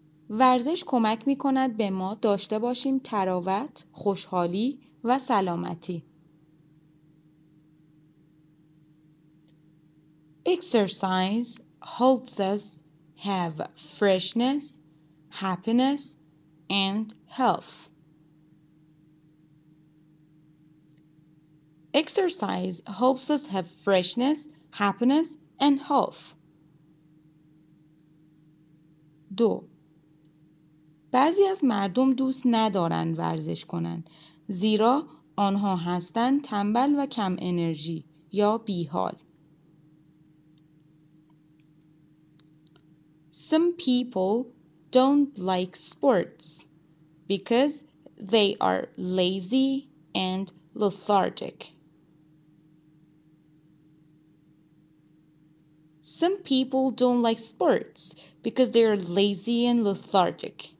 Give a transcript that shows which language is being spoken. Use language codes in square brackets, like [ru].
[fa] ورزش کمک می کند به ما داشته باشیم طراوت، خوشحالی و سلامتی. [en] Exercise helps us have freshness, happiness and health. Exercise helps us have freshness, happiness, and health. 2. [fa] بعضی از مردم دوست ندارند ورزش کنند زیرا آنها هستند تنبل و کم انرژی یا بیحال. [en] Some people don't like sports because they are lazy and lethargic. Some people don't like sports because they are lazy and lethargic.